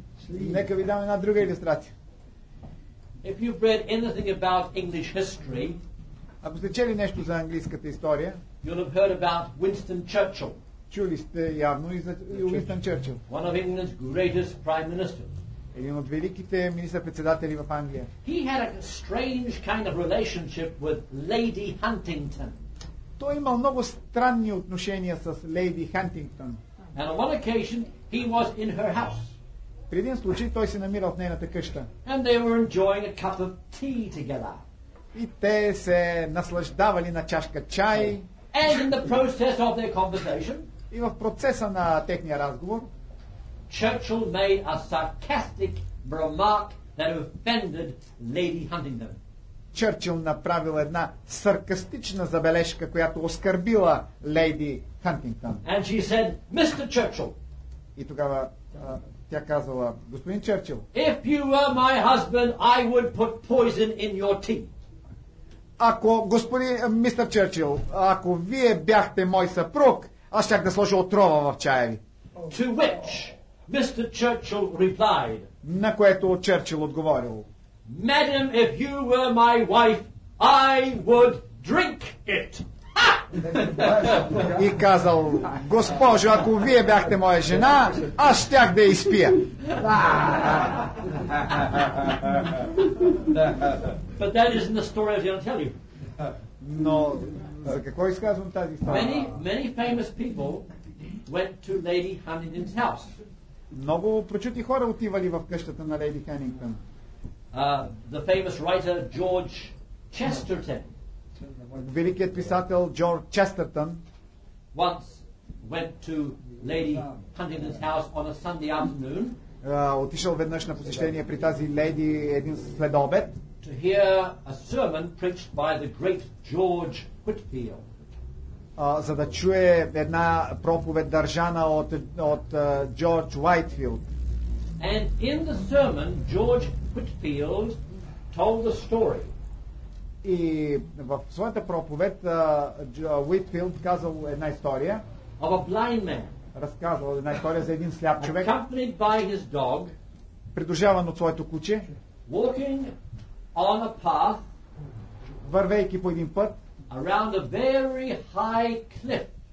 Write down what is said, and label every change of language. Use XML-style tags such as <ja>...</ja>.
<bg>Нека ви дам една друга илюстрация.</bg> <en>If you've read anything about English history,</en> <bg>ако сте чели нещо за английската история,</bg> <en>you'll have heard about Winston Churchill.</en> <bg>Чули сте явно и за Уинстън Чърчил.</bg> <en>One of England's greatest prime ministers.</en> <bg>Един от великите министър-председатели в Англия.</bg> <en>He had a strange kind of relationship with Lady Huntington.</en> <bg>Той имал много странни отношения с Lady Huntington.</bg> <en>And on one occasion he was in her house.</en> <bg>При един случай той се намирал в нейната къща.</bg> <en>And they were enjoying a cup of tea together.</en> <bg>И те се наслаждавали на чашка чай.</bg> <en>And in the process of their conversation,</en> <bg>и в процеса на техния разговор,</bg> <en>Churchill made a sarcastic remark that offended Lady Huntington.</en> <bg>Churchill направил една саркастична забележка, която оскърбила Lady Huntington.</bg> <en>And she said, Mr. Churchill.</en> <bg>И тогава тя казала, господин Churchill,</bg> <en>if you were my husband, I would put poison in your tea.</en> <bg>Ако господин мистър Чърчил, ако вие бяхте мой съпруг, аз щях да сложа отрова в чая ви.</bg> <en>To which мистър Чърчил replied.</en> <bg>На което Чърчил отговорил.</bg> <en>Madam, if you were my wife, I would drink it.</en> <bg>И казал, госпожо, ако вие бяхте моя жена, аз щях да я изпия.</bg> <en>But that isn't the story I'm going to tell you.</en> <bg>Но за какво изказвам тази история?</bg> <en>Many, many famous people went to Lady Huntington's house.</en> <bg>Много прочути хора отивали в къщата на Lady Huntington.</bg> <en>The famous writer George Chesterton.</en> <bg>Великият писател Джордж Честертън</bg> <en>once went to Lady Huntington's house on a Sunday afternoon.</en> <bg>Отишъл веднъж на посещение при тази леди един следобед.</bg> <en>To hear a sermon preached by the great George Whitfield.</en> <bg>За да чуе една проповед държана от Джордж Уайтфилд.</bg> <en>And in the sermon George Whitfield told the story.</en> <bg>И в своята проповед Уитфилд казал една история.</bg> <en>Of a blind man.</en> <bg>Разказал една история за един сляп човек.</bg> <en>Accompanied by his dog.</en> <bg>Придружаван от своето куче.</bg> <en>Walking on a path.</en> <bg>Вървейки по един път.</bg> <en>Around a very high cliff.</en>